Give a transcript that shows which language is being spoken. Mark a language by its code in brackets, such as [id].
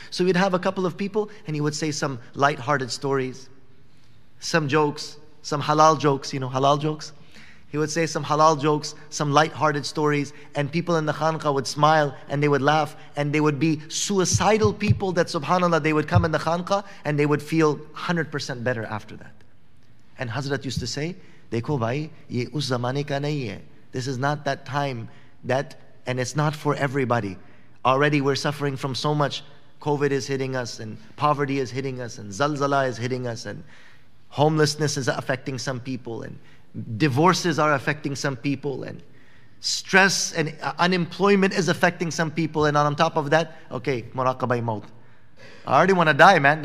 [en] So we'd have a couple of people and he would say some light-hearted stories, some jokes, some halal jokes, you know, halal jokes. He would say some halal jokes, some light-hearted stories, and people in the Khanqah would smile and they would laugh and they would be suicidal people that subhanAllah, they would come in the Khanqah and they would feel 100% better after that. And Hazrat used to say, [hi] देखो भाई ये उस जमाने का नहीं है. [en] This is not that time, that, and it's not for everybody. Already we're suffering from so much. COVID is hitting us, and poverty is hitting us, and zalzala is hitting us, and homelessness is affecting some people, and divorces are affecting some people, and stress and unemployment is affecting some people, and on top of that, okay, muraqabay maut. I already want to die, man.